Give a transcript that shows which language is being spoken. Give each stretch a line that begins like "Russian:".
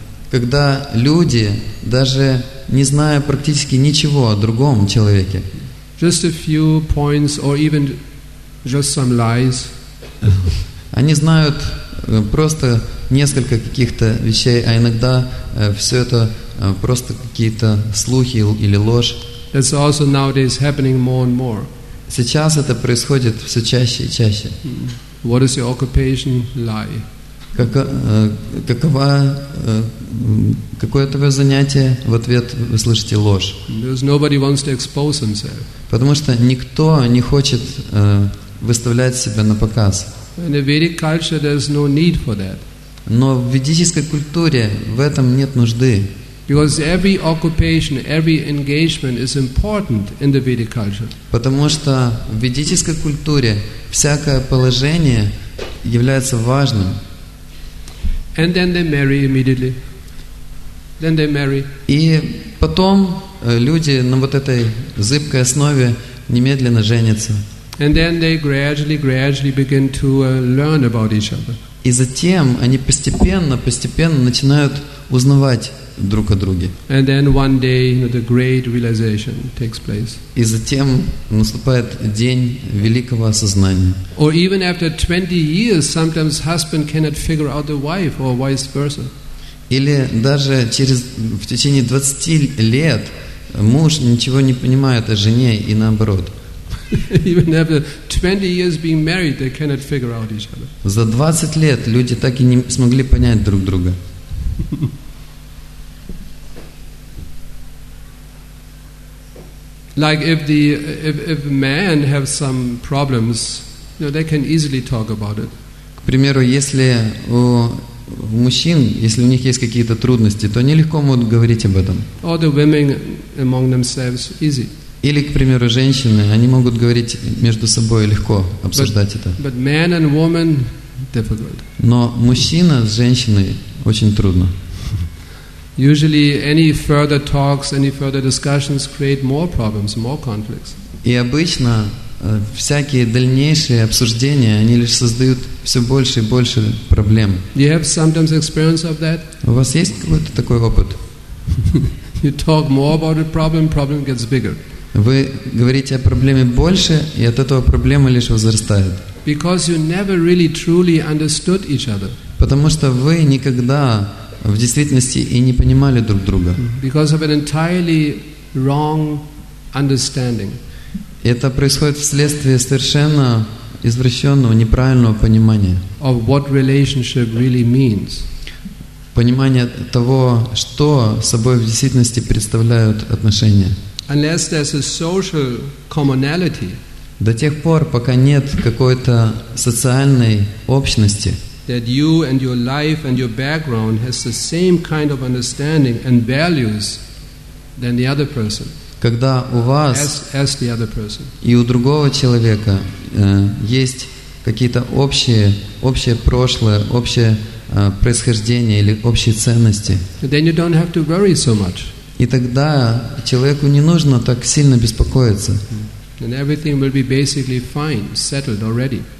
Russian: когда люди, даже не зная практически ничего о другом человеке,
English: just a few points or even just some lies.
Russian: Они знают просто несколько каких-то вещей, а иногда все это просто какие-то слухи или ложь.
English: It's also nowadays happening more and more.
Russian: Сейчас это происходит все чаще и чаще.
English: What is your occupation? Lie.
Russian: Какое твое занятие? В ответ вы слышите ложь.
English: Because nobody wants to expose himself.
Russian: Потому что никто не хочет выставлять себя на показ.
English: In a Vedic culture, there's no need for that.
Russian: Но в ведической культуре в этом нет нужды.
English: Because every occupation, every engagement is important in the Vedic culture.
Russian: Потому что в ведической культуре всякое положение является важным.
English: And then they marry immediately. Then they marry.
Russian: И потом люди на вот этой зыбкой основе немедленно женятся.
English: And then they gradually begin to learn about each other.
Russian: И затем они постепенно начинают узнавать друг о друге.
English: And then one day, you know, the great realization takes place.
Russian: И затем наступает день великого осознания.
English: Or even after 20 years, sometimes husband cannot figure out the wife or vice versa.
Russian: Или даже в течение 20 лет муж ничего не понимает о жене и наоборот.
English: Even after 20 years being married, they cannot figure out each other.
Russian: За 20 лет люди так и не смогли понять друг друга.
English: Like if men have some problems, you know, they can easily talk about it.
Russian: К примеру, если у мужчин, если у них есть какие-то трудности, то они легко могут говорить об этом.
English: Or the women among themselves, easy.
Russian: Или, к примеру, женщины, они могут говорить между собой легко, обсуждать это.
English: But man and woman, difficult.
Russian: Но мужчина с женщиной очень трудно.
English: Usually, any further talks, any further discussions create more problems, more conflicts.
Russian: И обычно всякие дальнейшие обсуждения, они лишь создают все больше и больше проблем.
English: You have sometimes experience of that?
Russian: У вас есть какой-то такой опыт?
English: You talk more about a problem, problem gets bigger.
Russian: Вы говорите о проблеме больше, и от этого проблема лишь возрастает.
English: Because you never really truly understood each other.
Russian: Потому что вы никогда в действительности и не понимали друг друга.
English: Because of an entirely wrong understanding.
Russian: Это происходит вследствие совершенно извращенного, неправильного понимания.
English: Of what relationship really means.
Russian: Понимание того, что собой в действительности представляют отношения.
English: Unless there's a social commonality.
Russian: До тех пор, пока нет какой-то социальной общности.
English: That you and your life and your background has the same kind of understanding and values than the other person.
Russian: Когда у вас
English: as the other person.
Russian: И у другого человека есть какие-то общее прошлое, общее происхождение или общие ценности.
English: Then you don't have to worry so much.
Russian: И тогда человеку не нужно так сильно беспокоиться.
English: And everything will be basically fine, settled already.